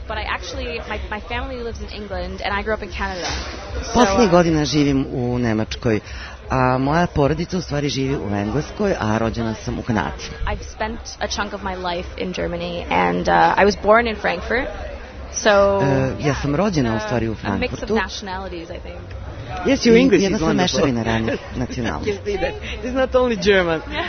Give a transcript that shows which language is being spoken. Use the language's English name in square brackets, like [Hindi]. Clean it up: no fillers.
[English] But I actually, my family lives in England and I grew up in Canada. [Serbian] Poslednjih godina živim u Nemačkoj. A moja porodica u stvari živi u Engleskoj, a rođena sam u Kanadi. [English] I've spent a chunk of my life in Germany and I was born in Frankfurt. So, [Serbian] ja sam rođena u stvari u Frankfurtu. [English] A mix of nationalities, I think. Yes, you're English. [Serbian] Jedna sam mešavina ranih nacionalnosti. [English] It's not only German.